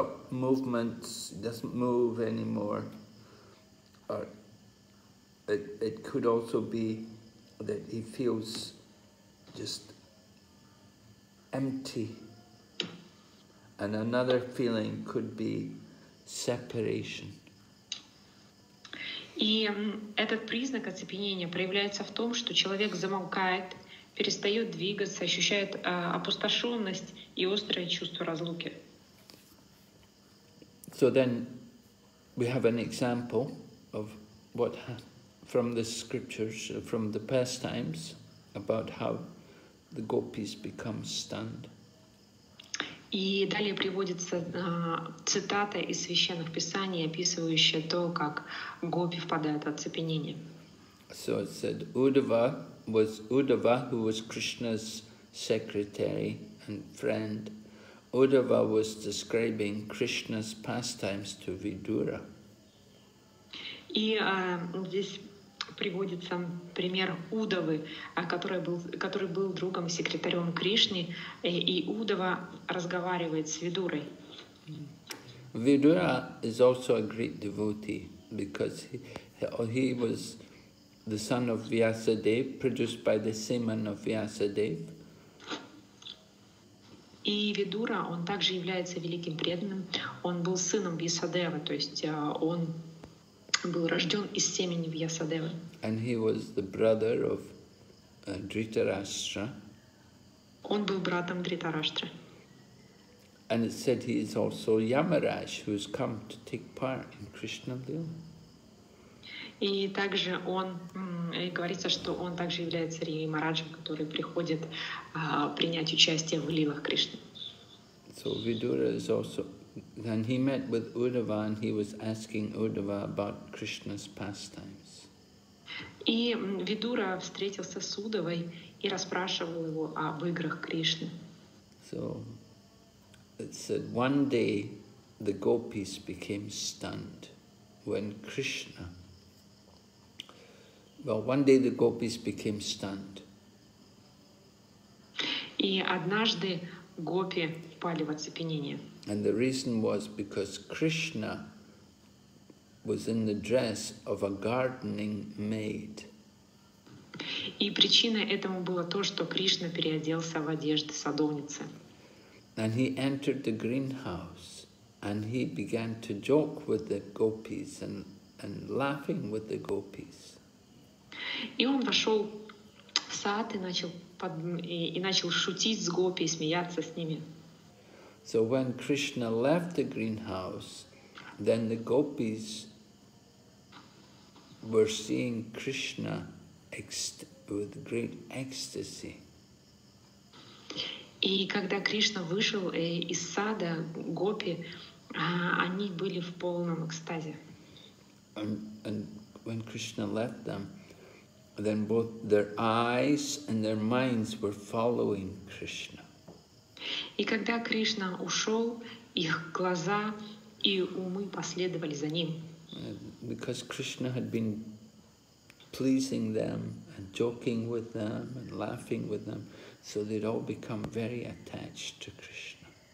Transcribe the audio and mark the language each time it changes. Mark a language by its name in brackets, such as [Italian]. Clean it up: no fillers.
[English] movements, doesn't move anymore, or It could also be that he feels just empty, and another feeling could be separation. [Russian] И этот признак оцепенения проявляется в том, что человек замолкает, перестает двигаться, ощущает опустошенность и острое чувство разлуки. [English] So then we have an example of what from the scriptures, from the pastimes, about how the gopis become stunned. [Russian] И далее приводится цитата из священных писаний, описывающая то, как гопи впадают в оцепенение. [English] So it said Uddhava, who was Krishna's secretary and friend, Uddhava was describing Krishna's pastimes to Vidura. [Russian] И здесь приводится пример Удавы, который был другом, секретарем Кришны, и Удава разговаривает с Видурой. [English] Vidura is also a great devotee because he was the son of Vyasadeva, produced by the semen of Vyasadeva. [Russian] И Видура, он также является великим преданным. Он был сыном Вьясадевы, то есть он был рожден из семени Вьясадевы. [English] And he was the brother of Dhritarashtra. [Russian] Он был братом Дхритарашты. [English] And it said he is also Yamaraj, who has come to take part in Krishna Lila. [Russian] И также он, и говорится, что он также является Ямараджем, который приходит принять участие в лилах Кришны. [English] So Vidura is also, then he met with Uddhava and he was asking Uddhava about Krishna's pastimes. [Russian] И Видура встретился с Уддавой и расспрашивал его об играх Кришны. [English] So it said one day the gopis became stunned when Krishna. Well, one day the gopis became stunned. [Russian] И однажды гопи впали в оцепенение. [English] And the reason was because Krishna was in the dress of a gardening maid. [Russian] И причина этому было то, что Кришна переоделся в одежды садовницы. [English] And he entered the greenhouse and he began to joke with the gopis and laughing with the gopis. [Russian] И он вошел в сад и начал шутить с гопи, смеяться с ними. [English] So when Krishna left the greenhouse, then the gopis were seeing Krishna with great ecstasy. [Russian] И когда Кришна вышел из сада, гопи, они были в полном экстазе. [English] And when Krishna left them, then both their eyes and their minds were following Krishna. [Russian] И когда Кришна ушел, их глаза и умы последовали за ним. [English] Because Krishna had been pleasing them and joking with them and laughing with them, so they'd all become very attached to Krishna.